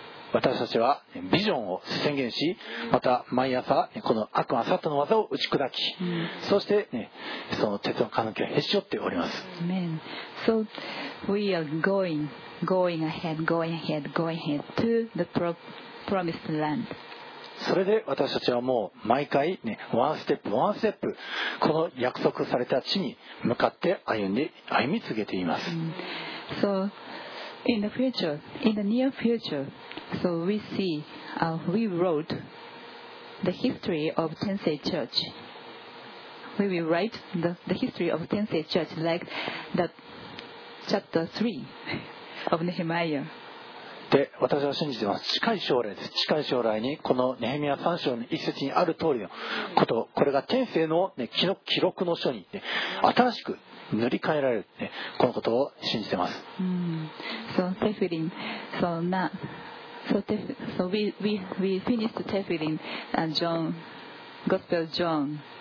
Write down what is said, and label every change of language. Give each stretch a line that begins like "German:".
Japanese: 私たちはビジョンを宣言し、また毎朝この悪魔サタンの技を打ち砕き、そしてその鉄の関係をへし折っております。
English: Amen. So we are going ahead to the promised land.
Japanese: それで私たちはもう毎回、ね、ワンステップワンステップこの約束された地に向かって歩み続けています。
English: So in the future, in the near future, so we see, we wrote the history of Tensei Church. We will write the history of Tensei Church like the chapter 3 of Nehemiah.
Japanese: で、私は信じています。近い将来です。近い将来にこのネヘミヤ3章の一節にある通りのこと、これが天聖の、ね、記録の書に、ね、新しく塗り替えられる、ね、このことを信じています。
English: So Tefillin, so now, so we finished Tefillin and John, Gospel John.